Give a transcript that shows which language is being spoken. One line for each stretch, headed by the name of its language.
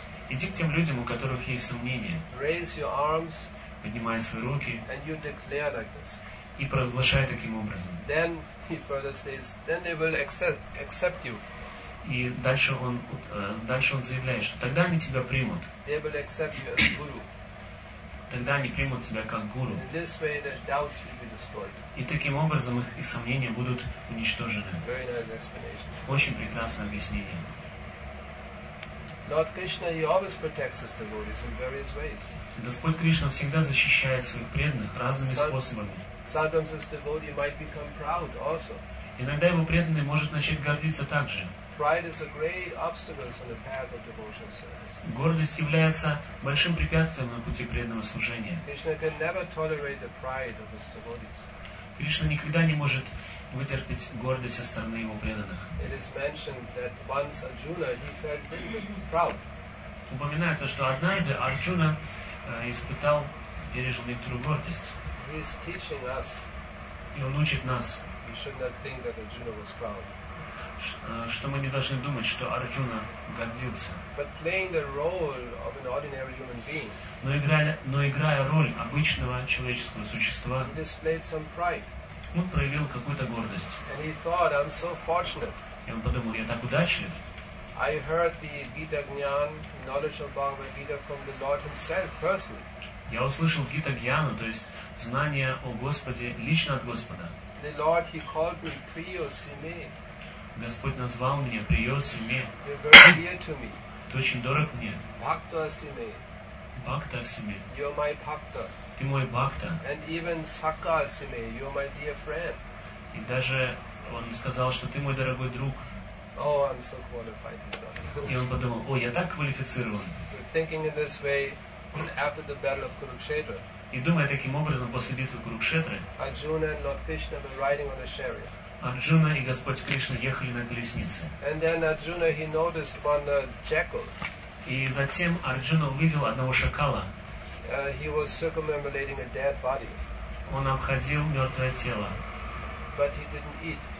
Russian: Иди к тем людям, у которых есть сомнения.
English: Raise your arms,
Russian: поднимай свои руки.
English: And you declare like this.
Russian: И провозглашай таким образом.
English: Then, he further says, then they will accept you.
Russian: И дальше он заявляет, что тогда они тебя примут.
English: They will accept you as guru.
Russian: Тогда они примут тебя как гуру.
English: In this way, their doubts will be destroyed.
Russian: И таким образом их сомнения будут уничтожены.
English: Very nice explanation.
Russian: Очень прекрасное объяснение.
English: Lord Krishna, he always protects his devotees in various ways.
Russian: Господь Кришна всегда защищает своих преданных разными способами.
English: Sometimes his devotee might become proud also.
Russian: Иногда его преданный может начать гордиться также.
English: Pride is a great obstacle on the path of devotional service.
Russian: Гордость является большим препятствием на пути преданного служения.
English: Krishna can never tolerate the pride of his devotees.
Russian: Кришна никогда не может вытерпеть гордость со стороны его преданных.
English: It is mentioned that once Arjuna he felt proud.
Russian: Упоминается, что однажды Арджуна испытал пережитую некоторую гордость.
English: He is teaching us.
Russian: И он учит нас.
English: We should not think that Arjuna was proud.
Russian: Что мы не должны думать, что Арджуна гордился.
English: But playing the role of an ordinary human being.
Russian: Но играя роль обычного человеческого существа.
English: He displayed some pride.
Russian: Он проявил какую-то гордость.
English: Thought, so
Russian: и он подумал, я так удачлив.
English: I heard the Gita Gnan, knowledge of Bhagavad Gita from the Lord himself personally.
Russian: Я услышал Гита Гьяну, то есть знание о Господе лично от Господа.
English: The Lord he called me
Sanskrit: Priyo Sime.
Russian: Господь назвал меня
Sanskrit: Priyo Sime.
English: You're very dear to me.
Russian: Ты очень дорог мне.
Sanskrit: Bhakta Sime. Bhakta Sime.
English: You're my Bhakta.
Russian: Ты мой бхакта.
English: And even
Sanskrit: Sakka Sime,
English: you're my dear friend.
Russian: И даже он сказал, что ты мой дорогой друг.
English: Oh, I'm so qualified.
Russian: И он подумал, о, я так квалифицирован.
English: So thinking in this way, after the battle of Kurukshetra.
Russian: И думая таким образом после битвы Курукшетры.
English: Arjuna and Lord Krishna were riding on a chariot.
Russian: Арджуна и Господь Кришна ехали на колеснице.
English: And then Arjuna he noticed one jackal.
Russian: И затем Арджуна увидел одного шакала.
English: He was circumambulating a dead body.
Russian: Он обходил мертвое тело.
English: But he didn't eat.